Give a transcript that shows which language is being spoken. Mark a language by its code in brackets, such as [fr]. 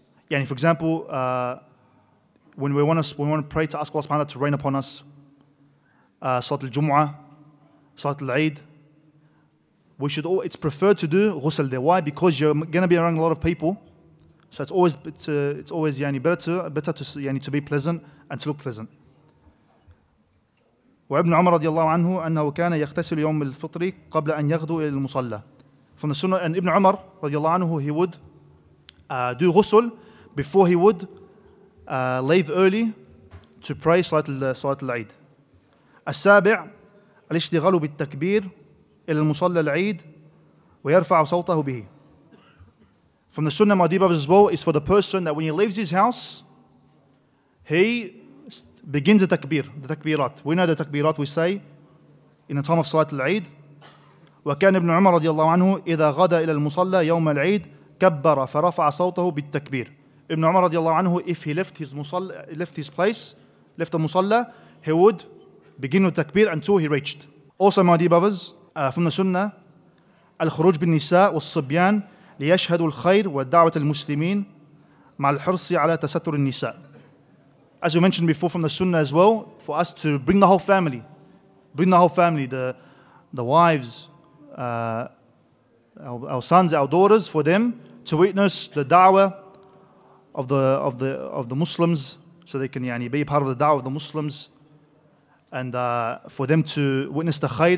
[en] Yani, for example, when we want to pray to ask Allah subhanahu wa ta'ala to rain upon us, Salat al-Jum'ah, Salat al-Eid, it's preferred to do ghusl there. Why? Because you're going to be around a lot of people. So it's always better to be pleasant and to look pleasant. [ar] وابن عمر رضي الله عنه أنه كان يغتسل يوم الفطر قبل أن يغدو إلى المصلى. [en] From the Sunnah, and Ibn Umar رضي الله عنه, he would do ghusl before he would leave early to pray salat al-Eid. [ar] السابع الاشتغال بالتكبير إلى المصلى العيد ويرفع صوته به. [en] From the Sunnah, my dear brothers, as well, is for the person that when he leaves his house, he begins the takbir, the takbirat. We know the takbirat we say in the time of Salat al-Eid. [ar] وكان ابن عمر رضي الله عنه إذا غدا إلى المصلى يوم العيد كبر فرفع صوته بالتكبير. [en] Ibn Umar رضي الله عنه, if he left his musalla, left his place, left the musalla, he would begin with takbir until he reached. Also, my dear brothers, from the Sunnah, [ar] الخروج بالنساء والصبيان ليشهدوا الخير ودعوة المسلمين مع الحرص على تستر النساء. [en] As we mentioned before, from the Sunnah as well, for us to bring the whole family, the wives, our sons, our daughters, for them to witness the da'wah of the Muslims, so they can be part of the da'wah of the Muslims, and for them to witness the khair.